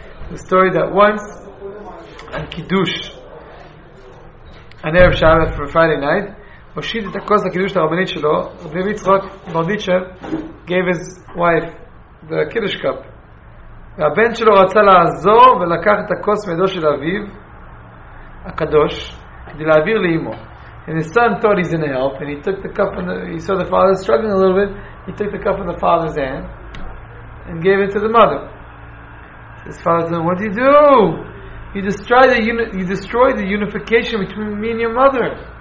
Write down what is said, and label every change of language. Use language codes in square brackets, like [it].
[en] The story that once on Kiddush, an Erev Shabbat for Friday night, Moshid the Kosa Kiddush to Rabbanit Shelo, Rabbi Yitzchok Malditcher gave his wife the Kiddush cup. [he] והבן שלו רצה לעזור ולקח את הכוס מידו של אביו הקדוש כדי להעביר לאמו. [en] And his son thought he's in help, and he took the cup and he saw the father struggling a little bit. He took the cup in the father's hand and gave it to the mother. His father said, "What did you do? You destroyed the unification between me and your mother."